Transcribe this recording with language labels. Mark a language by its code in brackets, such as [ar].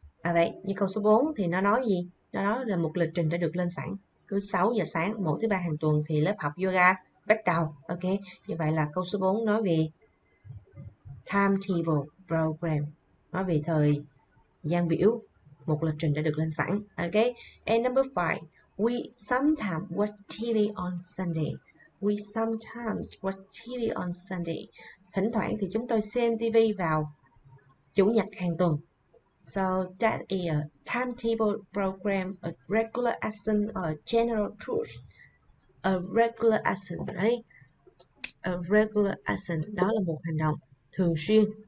[vi] À vậy, như câu số 4 thì nó nói gì? Nó nói là một lịch trình đã được lên sẵn. Cứ 6 giờ sáng mỗi thứ ba hàng tuần thì lớp học yoga bắt đầu. Ok. Như vậy là câu số 4 nói về timetable program. Nói về thời gian biểu, một lịch trình đã được lên sẵn. [en] Ok. And number 5, we sometimes watch TV on Sunday. We sometimes watch TV on Sunday. [vi] Thỉnh thoảng thì chúng tôi xem TV vào chủ nhật hàng tuần. [en] So that is a timetable program, a regular action or a general tour. A regular action, right? A regular action, [vi] đó là một hành động thường xuyên.